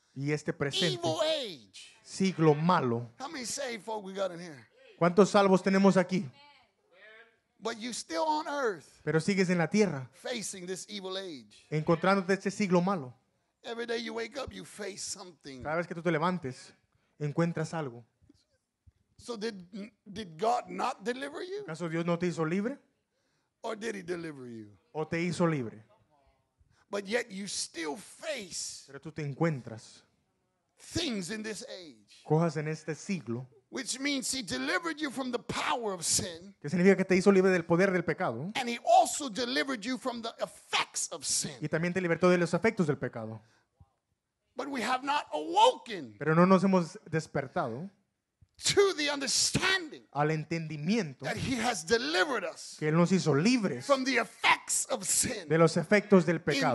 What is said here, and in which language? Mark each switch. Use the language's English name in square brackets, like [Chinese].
[Spanish] Y este presente [English] evil age. [Spanish] Siglo malo. [English] How many saved folk we got in here? [Spanish] ¿Cuántos salvos tenemos aquí? [English] But you still on earth. [Spanish] Pero sigues en la tierra. [English] Facing this evil age. [Spanish] Encontrándote este siglo malo. [English] Every day you wake up, you face something. [Spanish] Cada vez que tú te levantes, encuentras algo. [English] So did God not deliver you? [Spanish] ¿Acaso Dios no te hizo libre? [English] Or did he deliver you? [Spanish] ¿O te hizo libre? [English] But yet you still face. [Spanish] Pero tú te encuentras. [English] Things in this age. [Spanish] Cosas en este siglo. [English] Which means he delivered you from the power of sin. [Spanish] Que significa que te hizo libre del poder del pecado. [English] And he also delivered you from the effects of sin. [Spanish] Y también te libertó de los efectos del pecado. [English] But we have not awoken. [Spanish] Pero no nos hemos despertado. [English] To the understanding. [Spanish] Al entendimiento. [English] That he has delivered us. [Spanish] Que él nos hizo libres. [English] From the effects of sin. [Spanish] De los efectos del pecado.